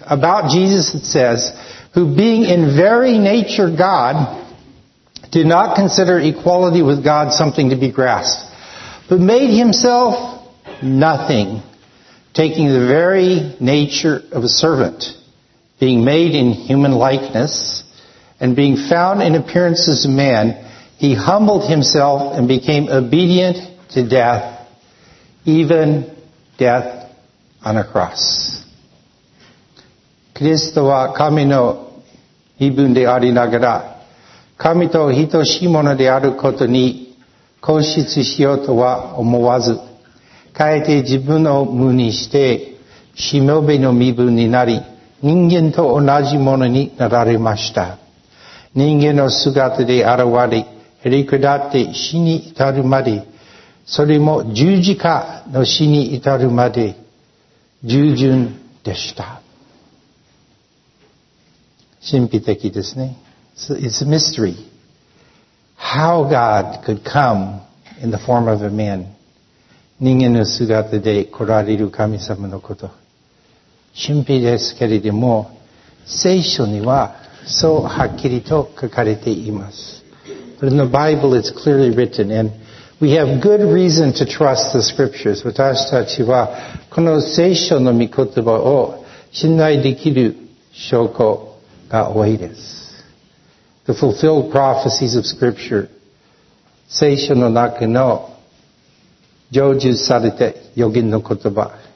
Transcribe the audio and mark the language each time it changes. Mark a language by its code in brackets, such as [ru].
[en] About Jesus it says, who being in very nature God, did not consider equality with God something to be grasped. But made himself nothing, taking the very nature of a servant, being made in human likeness, and being found in appearance as a man, he humbled himself and became obedient to death, even death on a cross. [ja] キリストは神の身分でありながら、神と等しいものであることに固執しようとは思わず、かえて自分を無にして、しもべの身分になり、人間と同じものになられました。人間の姿で現れ、へりくだって死に至るまで、それも十字架の死に至るまで、従順でした。神秘的ですね。 [en] It's a mystery. How God could come in the form of a man. [ja] 人間の姿で来られる神様のこと。神秘ですけれども、聖書にはそうはっきりと書かれています。 [en] But in the Bible it's clearly written and we have good reason to trust the scriptures. [ja] 私たちはこの聖書の御言葉を信頼できる証拠が多いです。 [en] The fulfilled prophecies of scripture. [ja] 聖書の中の成就された予言の言葉。